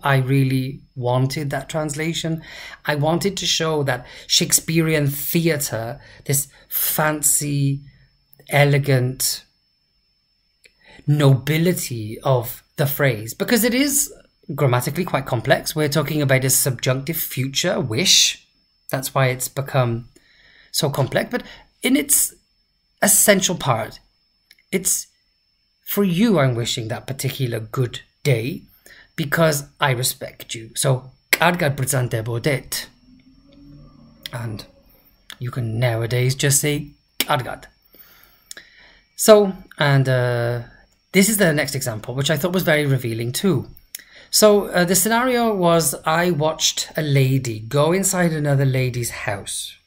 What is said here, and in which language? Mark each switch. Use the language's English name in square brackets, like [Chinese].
[English] I really wanted that translation. I wanted to show that Shakespearean theater, this fancy, elegant nobility of the phrase, because it is grammatically quite complex. We're talking about a subjunctive future wish. That's why it's become so complex. But in its essential part, it's For you, I'm wishing that particular good day because I respect you. [Georgian] So, კარგად ბრძანდებოდეთ. And you can nowadays just say კარგად. [English] So, and this is the next example, which I thought was very revealing too. So, the scenario was I watched a lady go inside another lady's house.